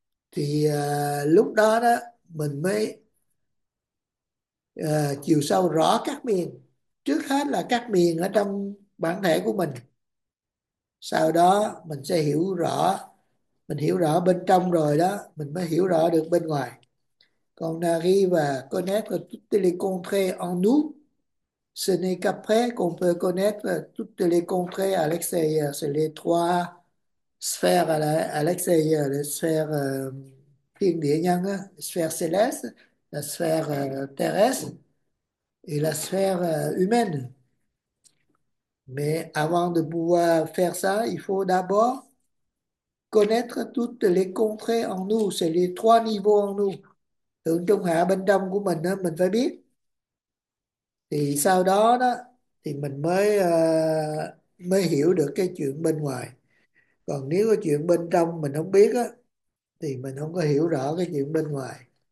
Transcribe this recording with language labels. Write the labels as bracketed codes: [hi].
[vi] Thì lúc đó đó mình mới chiều sâu rõ các miền, trước hết là các miền ở trong bản thể của mình, sau đó mình sẽ hiểu rõ, mình hiểu rõ bên trong rồi đó mình mới hiểu rõ được bên ngoài. Còn [fr] n'arrive à connaître toutes les contrées en nous, ce n'est qu'après qu'on peut connaître toutes les contrées à l'extérieur. C'est les trois sphères à l'extérieur, les sphères thiên địa nhân, sphère céleste, la sphère terrestre et la sphère humaine. Mais avant de pouvoir faire ça, il faut d'abord connaître toutes les contrées en nous. C'est les trois niveaux en nous. [vi] Thượng trung hạ bên trong của mình đó, mình phải biết. Thì sau đó đó thì mình mới mới hiểu được cái chuyện bên ngoài. Còn nếu có chuyện bên trong mình không biết á thì mình không có hiểu rõ cái chuyện bên ngoài.